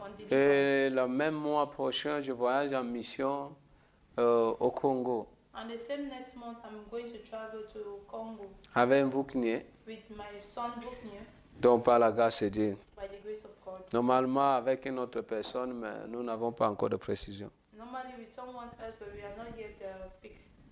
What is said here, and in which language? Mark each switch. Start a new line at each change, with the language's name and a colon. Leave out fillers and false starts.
French: Et le même mois prochain, je voyage en mission au Congo.
English: And the same next month, I'm going to travel to Congo.
French: Avec Vuknie.
English: With my son Vuknie.
French: Donc par la grâce de Dieu.
English: By the grace of God.
French: Normalement avec une autre personne, mais nous n'avons pas encore de précision.
English: Normally with someone else, but we are not yet fixed.